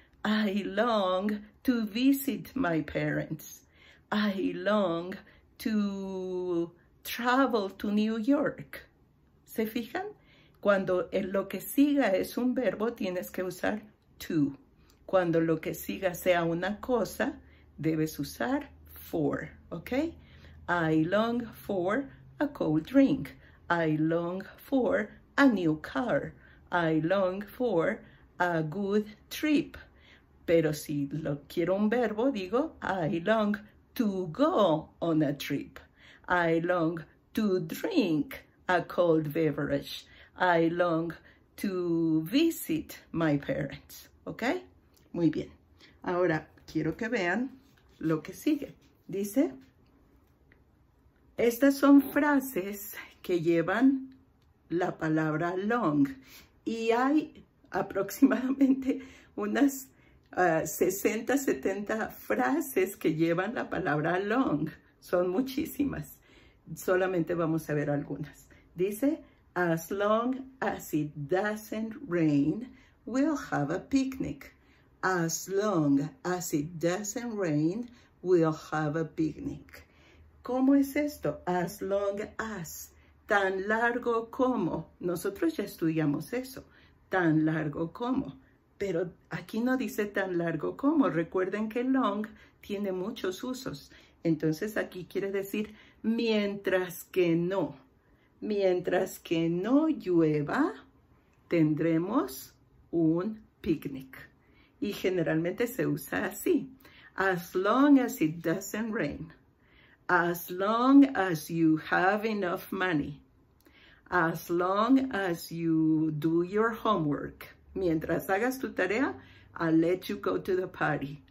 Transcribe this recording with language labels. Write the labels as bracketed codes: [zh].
[en] I long to visit my parents. I long to travel to New York. [es] ¿Se fijan? Cuando lo que siga es un verbo, tienes que usar to. Cuando lo que siga sea una cosa, debes usar for, ¿ok? [en] I long for a cold drink. I long for a new car. I long for a good trip. [es] Pero si lo quiero un verbo, digo, [en] I long to go on a trip. I long to drink a cold beverage. I long to visit my parents. [es] ¿Ok? Muy bien. Ahora quiero que vean lo que sigue. Dice, estas son frases que llevan la palabra long. Y hay aproximadamente unas 60, 70 frases que llevan la palabra long. Son muchísimas. Solamente vamos a ver algunas. [en] Dice, as long as it doesn't rain, we'll have a picnic. As long as it doesn't rain, we'll have a picnic. [es] ¿Cómo es esto? As long as. Tan largo como. Nosotros ya estudiamos eso. Tan largo como. Pero aquí no dice tan largo como. Recuerden que long tiene muchos usos. Entonces aquí quiere decir mientras que no. Mientras que no llueva, tendremos un picnic. Y generalmente se usa así. [en] As long as it doesn't rain. As long as you have enough money. As long as you do your homework. [es] Mientras hagas tu tarea, [en] I'll let you go to the party.